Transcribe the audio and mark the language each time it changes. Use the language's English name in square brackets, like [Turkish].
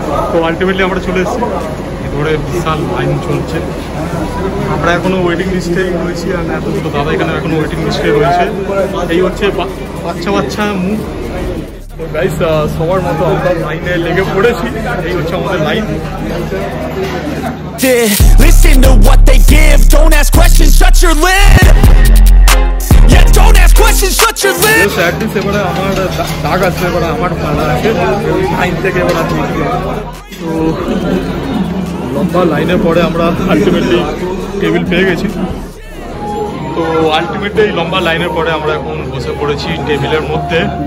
[Bangla] তো আলটিমেটলি আমরা চলে এসেছি, ধরে বিশাল লাইন চলছে, আমরা এখনো ওয়েটিং লিস্টে রয়েছি। আর এত দুটো দাদা এখানে এখনো ওয়েটিং লিস্টে রয়েছে, এই হচ্ছে বাচ্চা বাচ্চা মুখ। গাইস সবার মতো আমরা লাইনে লেগে পড়েছি, এই হচ্ছে আমাদের line. [English] Listen to what they give, don't ask questions, shut your lid. Yeah, don't ask questions, shut your lid. Yes, at this [Bangla] এবারে আমার দাগ আছে, এবারে আমার পালা আছে, লাইন থেকে এবারে আমি লম্বা লাইনে পড়ে আমরা আলটিমেটলি টেবিল পেয়ে গেছি। তো আলটিমেটলি লম্বা লাইনের পরে আমরা এখন বসে পড়েছি টেবিলের মধ্যে।